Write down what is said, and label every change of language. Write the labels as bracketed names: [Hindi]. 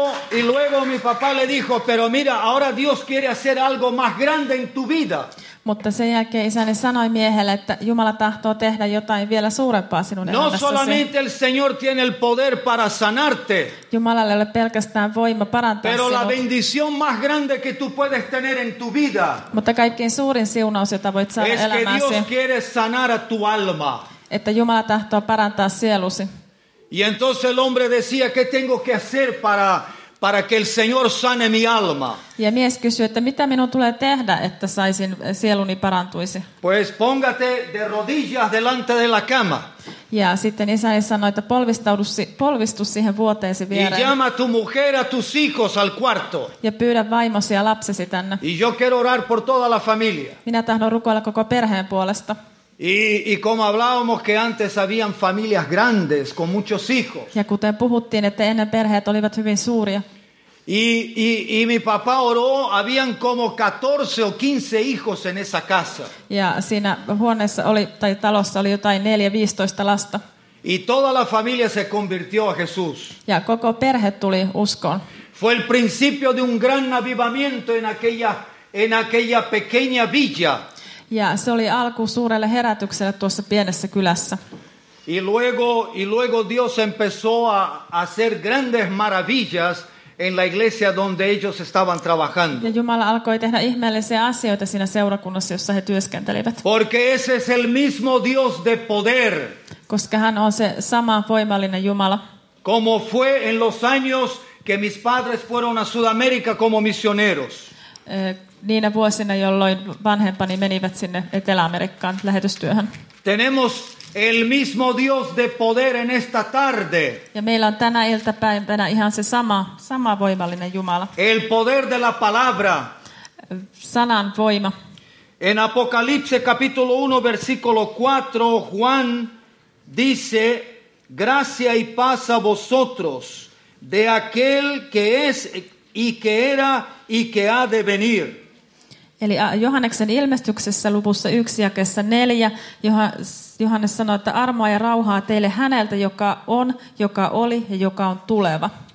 [Spanish] Y luego mi papá le dijo, pero mira, ahora Dios quiere hacer algo más grande en tu vida. [Finnish] Mutta sen jälkeen isäni sanoi miehelle, että Jumala tahtoo tehdä jotain vielä suurempaa sinun elämässäsi. [Spanish] No solamente el Señor tiene el poder para sanarte. [Finnish] Jumalalla ei ole pelkästään voima parantaa sinut. [Spanish] Pero la bendición más grande que tú puedes tener en tu vida. [Finnish] Mutta kaikkein suurin siunaus, jota voit saada elämässäsi. [Spanish] Es que Dios quiere sanar a tu alma. [Finnish] Että Jumala tahtoo parantaa sielusi. [Spanish] Y entonces el hombre decía, ¿qué tengo que hacer para que el Señor sane mi alma? [Finnish] Ja mies kysyi, että mitä minun tulee tehdä, että saisin sieluni parantuisi. [Spanish] Pues póngate de rodillas delante de la cama. [Finnish] Ja sitten isäni sanoi, että polvistu siihen vuoteesi viereen. [Spanish] Y llama tu mujer a tus hijos al cuarto. [Finnish] Ja pyydä vaimosi ja lapsesi tänne. [Spanish] Y yo quiero orar por toda la familia. [Finnish] Minä tahdon rukoilla koko perheen puolesta. [Spanish] Y como hablábamos que antes habían familias grandes con muchos hijos. [Finnish] Ja kuten puhuttiin, että ennen perheet olivat hyvin suuria. [Spanish] Y mi papá oró, habían como 14 o 15 hijos en esa casa. [Finnish] Ja siinä huoneessa oli tai talossa oli jotain 4-15 lasta. [Spanish] Y toda la familia se convirtió a Jesús. [Finnish] Ja koko perhe tuli uskoon. [Spanish] Fue el principio de un gran avivamiento en aquella pequeña villa. [Finnish] Ja se oli alku suurelle herätykselle tuossa pienessä kylässä. [Spanish] Y luego Dios empezó a hacer grandes maravillas en la iglesia donde ellos estaban trabajando. [Finnish] Ja Jumala alkoi tehdä ihmeellisiä asioita siinä seurakunnassa, jossa he työskentelivät. [Spanish] Porque ese es el mismo Dios de poder. [Finnish] Koska hän on se sama voimallinen Jumala. [Spanish] Como fue en los años que mis padres fueron a Sudamérica como misioneros. [Finnish] Niinä vuosina, jolloin vanhempani menivät sinne Etelä-Amerikkaan lähetystyöhön. [Spanish] Tenemos el mismo Dios de poder en esta tarde. [Finnish] Ja meillä on tänä iltapäivänä ihan se sama voimallinen Jumala. [Spanish] El poder de la palabra. [Finnish] Sanan voima. [Spanish] En Apocalipsis capítulo 1 versículo 4 Juan dice: "Gracia y paz a vosotros de aquel que es y que era y que ha de venir." [Finnish] Eli Johanneksen ilmestyksessä luvussa 1 jakeessa 4, Johannes sanoi, että armoa ja rauhaa teille häneltä, joka on, joka oli ja joka on tuleva.